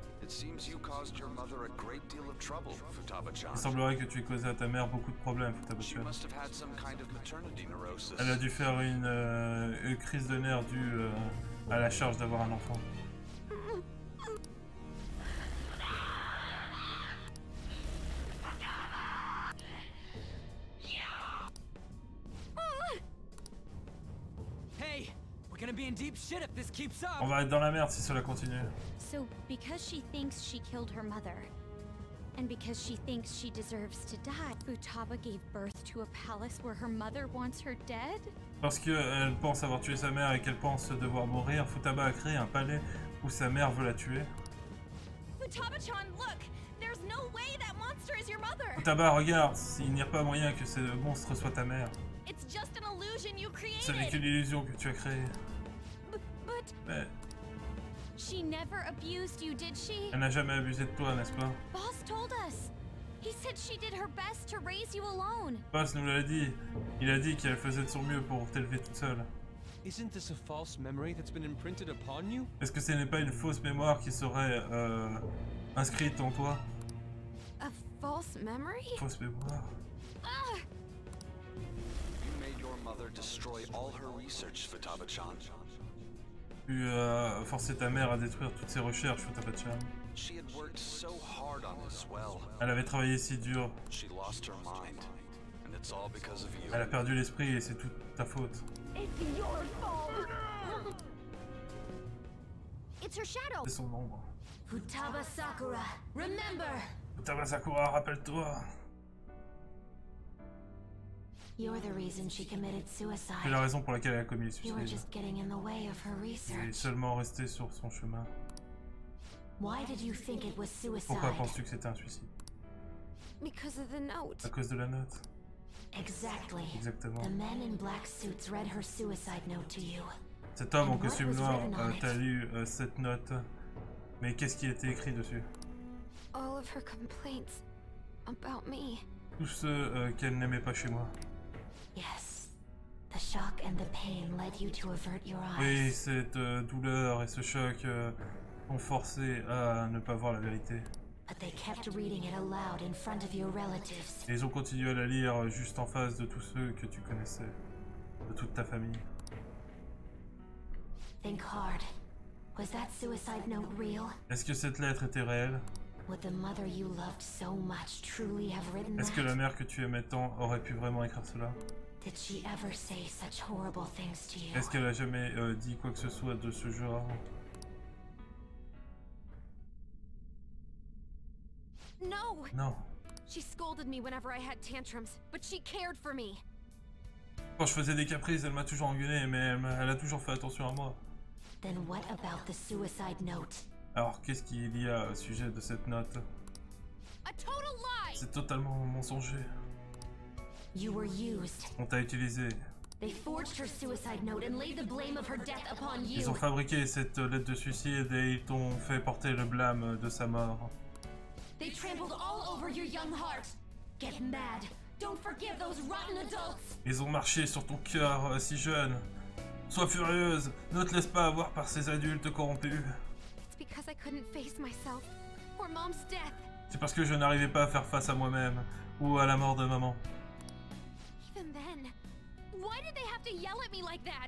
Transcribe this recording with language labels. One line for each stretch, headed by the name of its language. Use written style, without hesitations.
English: It seems you caused your mother a great deal of trouble, Futaba-chan.
French: Il semblerait que tu aies causé à ta mère beaucoup de problèmes, Futaba-chan.
English: She must have had some kind of maternity neurosis.
French: Elle a dû faire une crise de nerfs due à la charge d'avoir un enfant.
English: Hey, we're gonna be in deep shit if this keeps up.
French: On va être dans la merde si cela continue.
English: So because she thinks she killed her mother, and because she thinks she deserves to die, Futaba gave birth to a palace where her mother wants her dead?
French: Parce que elle pense avoir tué sa mère et qu'elle pense devoir mourir, Futaba a créé un palais où sa mère veut la tuer.
English: Futaba-chan, look, there's no way that monster is your mother.
French: Futaba, regarde, il n'y a pas moyen que ce monstre soit ta mère.
English: It's just an illusion you created.
French: Ce n'est qu'une illusion que tu as créée.
English: But...
French: Mais...
English: She never abused you, did she?
French: Elle n'a jamais abusé de toi, n'est-ce pas?
English: Boss told us. He said she did her best to raise you alone.
French: Boss nous l'a dit. Il a dit qu'elle faisait de son mieux pour t'élever toute seule.
English: Isn't this a false memory that's been imprinted upon you?
French: Est-ce que ce n'est pas une fausse mémoire qui serait inscrite en toi?
English: A false memory?
French: Fausse mémoire.
English: You made your mother destroy all her research, Futaba-chan.
French: Tu as forcé ta mère à détruire toutes ses recherches, Futaba-chan. Elle avait travaillé si dur. Elle a perdu l'esprit et c'est toute ta faute.
English: It's your fault. it's her shadow.
French: C'est son ombre.
English: Futaba Sakura, remember.
French: Futaba Sakura, rappelle-toi.
English: You're the reason she committed suicide.
French: C'est la raison pour laquelle elle a commis le suicide.
English: You were just getting in the way of her research.
French: Elle est seulement restée sur son chemin.
English: Why did you think it was suicide?
French: Pourquoi penses-tu que c'était un suicide?
English: Because of the note.
French: À cause de la note.
English: Exactly.
French: Exactement.
English: The men in black suits read her suicide note to you.
French: Cet homme en costume noir t'a lu cette note. Mais qu'est-ce qui était écrit dessus?
English: All of her complaints about me.
French: Tout ce qu'elle n'aimait pas chez moi.
English: Yes. The shock and the pain led you to avert your eyes.
French: Oui, cette douleur et ce choc ont forcé à ne pas voir la vérité.
English: But they kept reading it aloud in front of your relatives.
French: Et ils ont continué à la lire juste en face de tous ceux que tu connaissais, de toute ta famille.
English: Think hard. Was that suicide note real?
French: Est-ce que cette lettre était réelle?
English: Would the mother you loved so much truly have written that?
French: Est-ce que la mère que tu aimais tant aurait pu vraiment écrire cela?
English: Did she ever say such horrible things to you?
French: Est-ce qu'elle a jamais dit quoi que ce soit de ce genre?
English: No.
French: Non.
English: She scolded me whenever I had tantrums, but she cared for me.
French: Quand je faisais des caprices, elle m'a toujours engueulé, mais elle a toujours fait attention à moi.
English: Then what about the suicide note?
French: Alors qu'est-ce qu'il y a au sujet de cette note?
English: A total lie.
French: C'est totalement mensonger.
English: You were used.
French: On t'a utilisé.
English: They forged her suicide note and laid the blame of her death upon you.
French: Ils ont fabriqué cette lettre de suicide et ils t'ont fait porter le blâme de sa mort.
English: They trampled all over your young heart. Get mad. Don't forgive those rotten adults.
French: Ils ont marché sur ton cœur si jeune. Sois furieuse. Ne te laisse pas avoir par ces adultes corrompus.
English: It's because I couldn't face myself or mom's death.
French: C'est parce que je n'arrivais pas à faire face à moi-même ou à la mort de maman.
English: Even then, why did they have to yell at me like that?